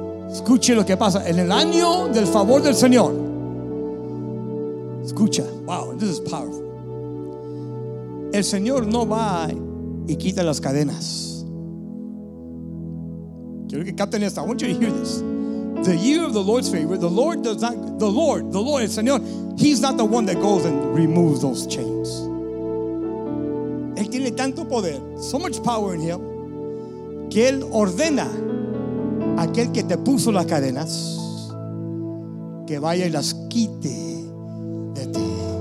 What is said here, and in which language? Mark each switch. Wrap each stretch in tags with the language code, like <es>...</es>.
<es>Escuche lo que pasa en el año del favor del Señor. Escucha,</es> <en>wow, this is powerful.</en> <es>El Señor no va y quita las cadenas. Quiero que capten esto.</es> <en>I want you to hear this. The year of the Lord's favor, the Lord does not, the Lord, el Señor, he's not the one that goes and removes those chains.</en> <es>Él tiene tanto poder,</es> <en>so much power in him,</en> <es>que él ordena aquel que te puso las cadenas que vaya y las quite de ti.</es>